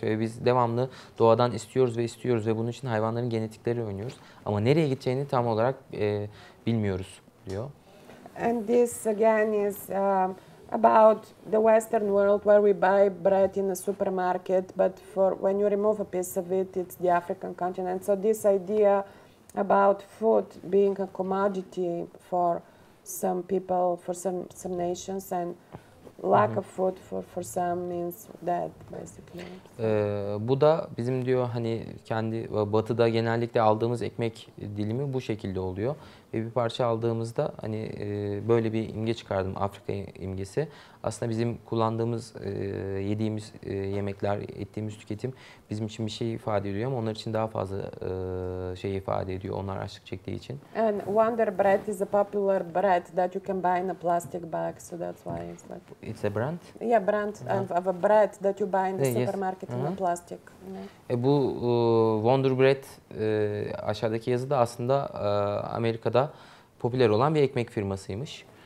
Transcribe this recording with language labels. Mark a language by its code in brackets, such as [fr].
[tr] Şöyle biz devamlı doğadan istiyoruz ve istiyoruz ve bunun için hayvanların genetikleriyle oynuyoruz. Ama nereye gideceğini tam olarak bilmiyoruz diyor. [en] And this again is about the Western world where we buy bread in a supermarket, but for when you remove a piece of it, it's the African continent. So this idea about food being a commodity for some people, for some nations, and lack of food for some means that basically. [tr] Bu da bizim diyor hani kendi batıda genellikle aldığımız ekmek dilimi bu şekilde oluyor. Ve bir parça aldığımızda hani böyle bir imge çıkardım, Afrika imgesi. Aslında bizim kullandığımız, yediğimiz yemekler, ettiğimiz tüketim bizim için bir şey ifade ediyor ama onlar için daha fazla şey ifade ediyor, onlar açlık çektiği için. [en] And Wonder Bread is a popular bread that you can buy in a plastic bag, so that's why it's like... It's a brand? Yeah, brand of a bread that you buy in the supermarket in a plastic. Yeah. [tr] Bu Wonder Bread, aşağıdaki yazı da aslında Amerika'da popüler olan bir ekmek firmasıymış.